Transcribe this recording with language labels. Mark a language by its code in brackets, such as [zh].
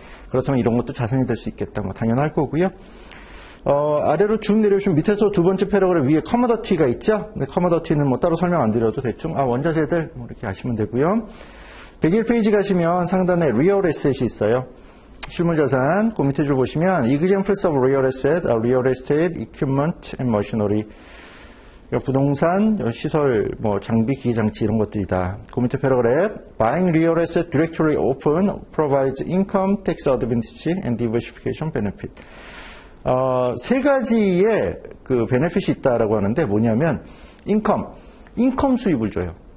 [ko] 그렇다면 이런 것도 자산이 될 수 있겠다. 뭐, 당연할 거고요. 아래로 쭉 내려오시면 밑에서 두 번째 패러그램 위에 커머더티가 있죠? 근데 커머더티는 뭐 따로 설명 안 드려도 대충, 원자재들, 뭐 이렇게 아시면 되고요. 101페이지 가시면 상단에 real asset이 있어요. 실물자산, 그 밑에 줄 보시면 [en] examples of real asset, real estate, equipment and machinery. [ko] 부동산, 시설, 뭐 장비, 기계장치 이런 것들이다. 그 밑에 패러그램 [en] buying real asset directly open provides income, tax advantage and diversification benefit. [ko] 세 가지의 그 베네핏이 있다라고 하는데 뭐냐면 인컴 수입을 줘요.